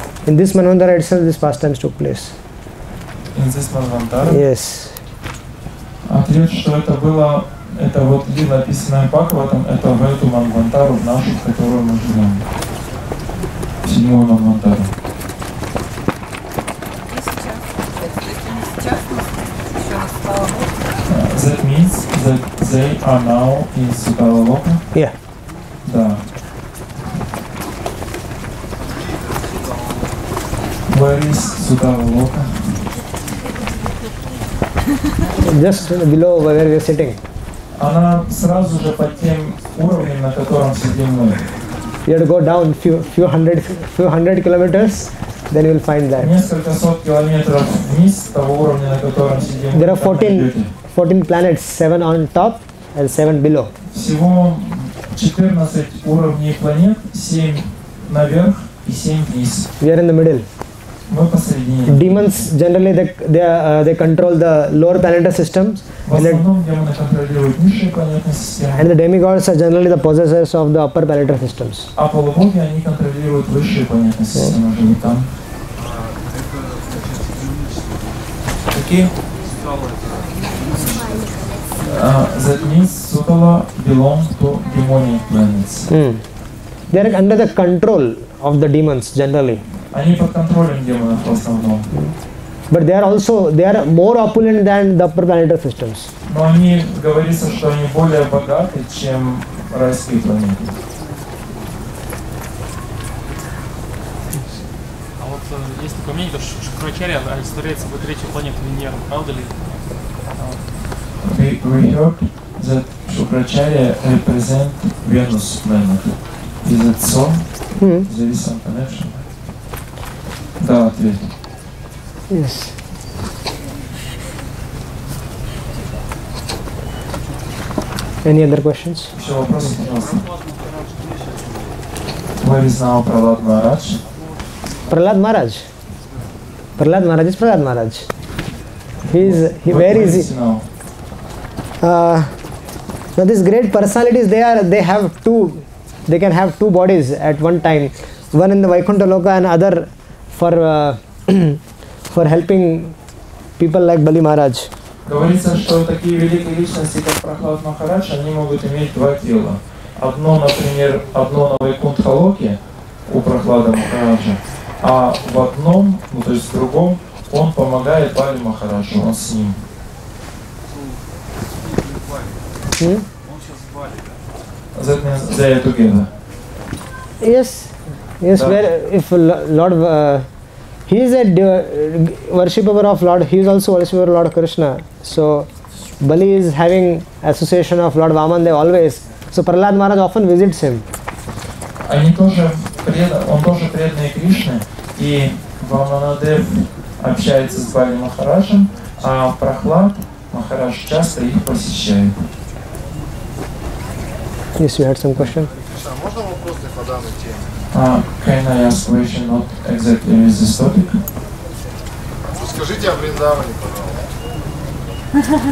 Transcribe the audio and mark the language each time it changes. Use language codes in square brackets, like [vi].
[en] In this Manvantara itself, this pastimes took place. In this Manvantara? Yes. [ru] Ответ, что это было, это вот лила, описанная Бхагаватам, это в эту Манвантару, в нашу, в которую мы живем. В 7-ю Манвантару. [en] That means that they are now in Sipalaloka? Yeah. [ru] Да. [en] Where is Sipalaloka? Just below where we are sitting. [ru] Она сразу же под тем уровнем, на котором сидим мы. [en] You have to go down few hundred kilometers. Then you will find that. [ru] Несколько сот километров вниз того уровня, на котором сидим. [en] There are 14 planets, 7 on top and 7 below. [ru] Всего 14 уровней планет, 7 наверх и 7 вниз. [en] We are in the middle. Demons generally they control the lower planetary systems. And the demigods are generally the possessors of the upper planetary systems. That means Sutala belongs to demonic planets. They are under the control of the demons generally. [ru] Они под контролем демонов в основном. [en] But they are more opulent than the upper planetary systems. [ru] Но они говорится, что они более богаты, чем райские планеты. А вот есть такое мнение, что Шукрачарья олицетворяется как третью планету Венера, правда ли? [en] We heard that Shukracharya represent Venus planet. Is that so? There is some connection. [ru] Да, ответ. [en] Yes. Any other questions? [ru] Все вопросы, пожалуйста. [en] Where is now Prahlad Maharaj? Prahlad Maharaj. Prahlad Maharaj is Prahlad Maharaj. Where is he now? Now these great personalities, they can have two bodies at one time, one in the Vaikuntha Loka and other for for helping people like Bali Maharaj. [ru] Говорится, что такие великие личности, как Прахлад Махарадж, они могут иметь два тела. Одно, например, одно на Вайкунтха Локе у Прахлада Махараджа, а в одном, ну то есть в другом, он помогает Бали Махараджу, он с ним. Он сейчас в Бали, да? [en] That means they are together. Yes. Yes, where if Lord... he is a worshipper of Lord... He is also worshipper of Lord Krishna. So, Bali is having association of Lord Vamandev always. So, Prahlad Maharaj often visits him. [ru] Они тоже преданы... Он тоже преданный Кришне. И Ваманадев общается с Бали Махараджем, а Прахлад Махарадж часто их посещает. [en] Yes, you had some question. Can I ask a question not exactly on this topic? [ru] Скажите о Вриндаване, пожалуйста.